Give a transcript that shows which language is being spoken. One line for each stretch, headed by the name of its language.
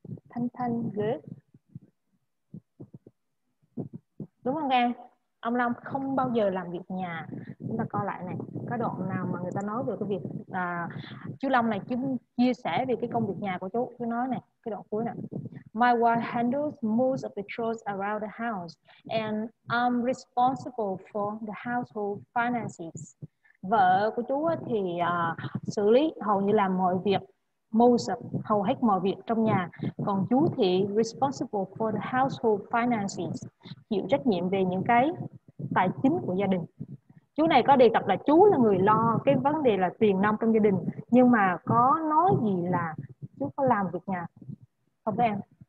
English: Thanh Thanh, good.
Vietnamese: Đúng không em? Ông Long không bao giờ làm việc nhà. Chúng ta coi lại này, có đoạn nào mà người ta nói về cái việc chú Long này chia sẻ về cái công việc nhà của chú. Chú nói này, cái đoạn cuối này:
English: my wife handles most of the chores around the house and I'm responsible for the household finances.
Vietnamese: Vợ của chú thì xử lý hầu như là mọi việc,
English: most of,
Vietnamese: hầu hết mọi việc trong nhà. Còn chú thì
English: responsible for the household finances,
Vietnamese: chịu trách nhiệm về những cái tài chính của gia đình. Chú này có đề cập là chú là người lo cái vấn đề là tiền nong trong gia đình, nhưng mà có nói gì là chú có làm việc nhà không em?